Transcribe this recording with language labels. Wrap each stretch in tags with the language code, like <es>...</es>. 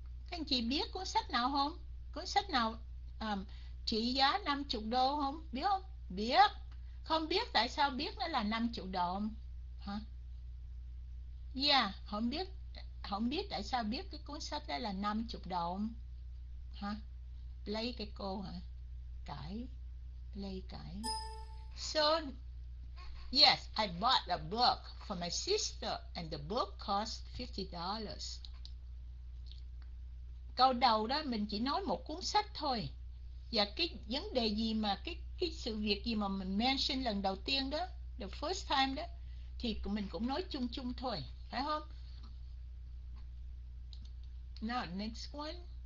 <vi>Anh chị biết cuốn sách nào không? Cuốn sách nào trị giá $50 không? Biết không? Biết. Không biết tại sao biết nó là $50 hả?</vi> <en>Yeah,</en> <vi>không biết tại sao biết cái cuốn sách đó là $50 hả? Play cái cô hả? Cãi, play cãi.</vi> <en>So, yes, I bought a book for my sister and the book cost $50.</en> <vi>Câu đầu đó mình chỉ nói một cuốn sách thôi. Và cái vấn đề gì mà cái sự việc gì mà mình</vi> <en>mention</en> <vi>lần đầu tiên đó,</vi> <en>the first time</en> <vi>đó, thì mình cũng nói chung chung thôi, phải không?</vi> <en>Now next one.</en>